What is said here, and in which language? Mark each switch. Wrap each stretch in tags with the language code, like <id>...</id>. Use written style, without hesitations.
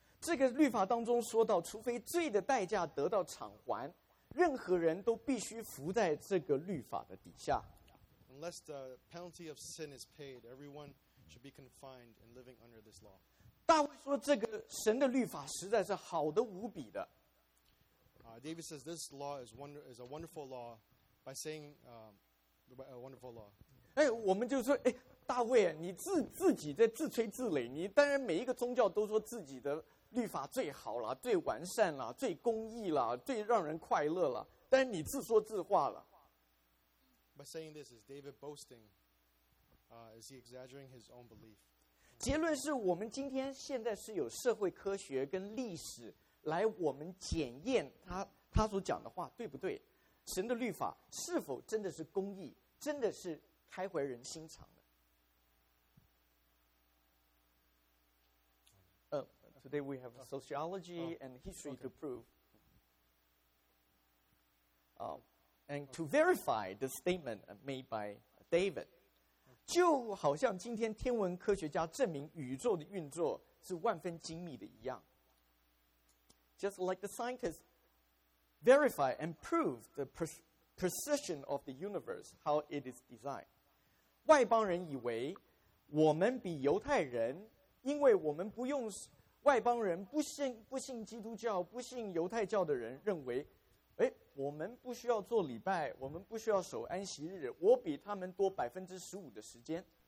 <zh>这个律法当中说到，除非罪的代价得到偿还，任何人都必须服在这个律法的底下。</zh> <en>Unless the penalty of sin is paid, everyone should be confined and living under this law.</en> <zh>大卫说这个神的律法实在是好的无比的。</zh> <en>David says this law is a wonderful law. By saying a wonderful law.</en> <zh>哎，我们就说，哎，大卫，你自己在自吹自擂。你当然每一个宗教都说自己的律法最好了，最完善了，最公义了，最让人快乐了。但是你自说自话了。</zh> <en>By saying this, is David boasting? Is he exaggerating his own belief?</en> <zh>结论是我们今天现在是有社会科学跟历史来我们检验他所讲的话对不对？神的律法是否真的是公义？真的是开怀人心肠的？</zh> <en>Today we have sociology and history to prove. And to verify the statement made by David.</en> <zh>就好像今天天文科学家证明宇宙的运作是万分精密的一样。</zh> <en>Just like the scientists verify and prove the precision of the universe, how it is designed.</en> <zh>外邦人以为我们比犹太人，因为我们不用外邦人不信基督教、不信犹太教的人认为，哎，我们不需要做礼拜，我们不需要守安息日，我比他们多15%的时间。</zh>